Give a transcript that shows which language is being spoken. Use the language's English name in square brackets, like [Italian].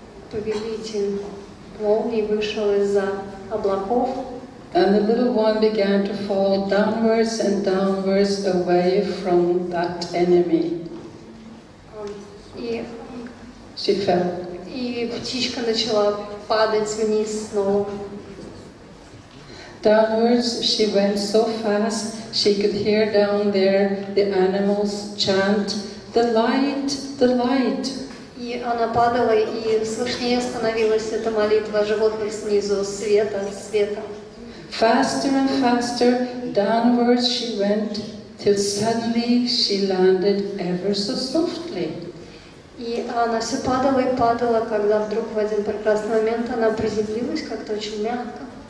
[Russian] Повелитель молнии вышел из-за облаков. [English] And the little one began to fall downwards and downwards away from that enemy. She fell. [Russian] И птичка начала падать вниз снова. [English] Downwards she went so fast she could hear down there the animals chant, "The light, the light." [Russian] И она падала, и слышнее становилась эта молитва животных снизу, света, света. [English] Faster and faster downwards she went, till suddenly she landed ever so softly. [Russian] И она все падала и падала, когда вдруг в один прекрасный момент она приземлилась как-то очень мягко.